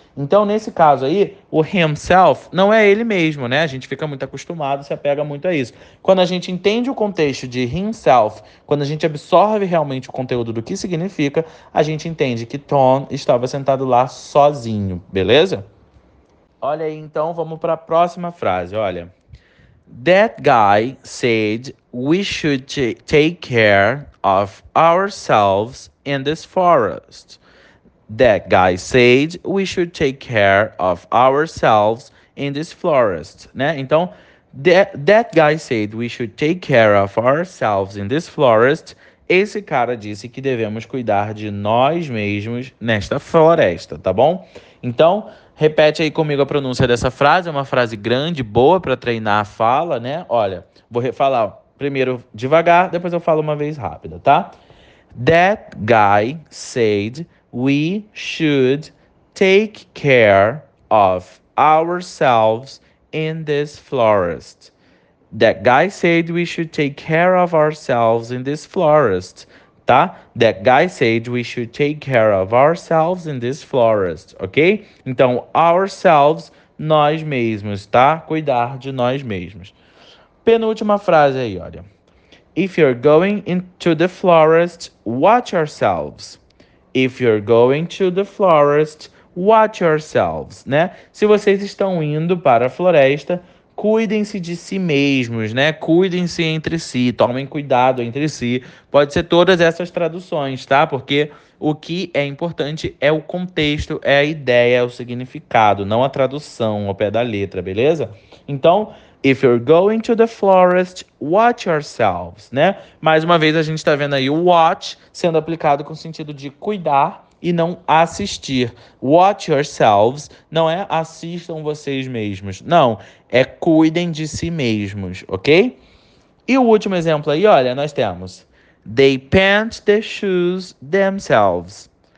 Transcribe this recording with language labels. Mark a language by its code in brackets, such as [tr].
[pt] Então, nesse caso aí, o himself não é ele mesmo, né? A gente fica muito acostumado, se apega muito a isso. Quando a gente entende o contexto de himself, quando a gente absorve realmente o conteúdo do que significa, a gente entende que Tom estava sentado lá sozinho, beleza? Olha aí, então, vamos para a próxima frase, olha. [en] That guy said we should take care of ourselves in this forest. That guy said we should take care of ourselves in this forest, né? Então, that guy said we should take care of ourselves in this forest. [pt] Esse cara disse que devemos cuidar de nós mesmos nesta floresta, tá bom? Então, repete aí comigo a pronúncia dessa frase. É uma frase grande, boa para treinar a fala, né? Olha, vou falar primeiro devagar, depois eu falo uma vez rápida, tá? [en] That guy said we should take care of ourselves in this forest. That guy said we should take care of ourselves in this forest. Tá? That guy said we should take care of ourselves in this forest. [pt] Ok? Então, ourselves, nós mesmos, tá? Cuidar de nós mesmos. Penúltima frase aí, olha. [en] If you're going into the forest, watch yourselves. If you're going to the forest, watch yourselves, né? [pt] Se vocês estão indo para a floresta, cuidem-se de si mesmos, né? Cuidem-se entre si, tomem cuidado entre si. Pode ser todas essas traduções, tá? Porque o que é importante é o contexto, é a ideia, é o significado, não a tradução ao pé da letra, beleza? [en] Então, if you're going to the forest, watch yourselves, né? [pt] Mais uma vez, a gente tá vendo aí o watch sendo aplicado com o sentido de cuidar e não assistir. [en] Watch yourselves [pt] não é assistam vocês mesmos. Não, é cuidem de si mesmos, ok? E o último exemplo aí, olha, nós temos. [en] They paint the shoes themselves.